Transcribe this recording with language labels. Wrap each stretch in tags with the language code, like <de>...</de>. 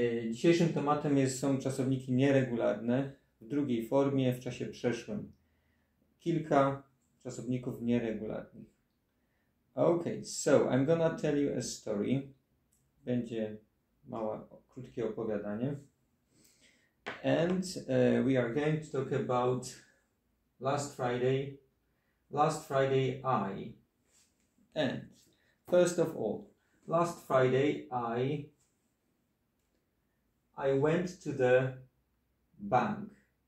<pl>Dzisiejszym tematem są czasowniki nieregularne w drugiej formie, w czasie przeszłym. Kilka czasowników nieregularnych.</pl> <en>Okay, so I'm gonna tell you a story.</en> <pl>Będzie mała, krótkie opowiadanie.</pl> <en>And we are going to talk about last Friday. Last Friday I. And first of all, last Friday I went to the bank.</en>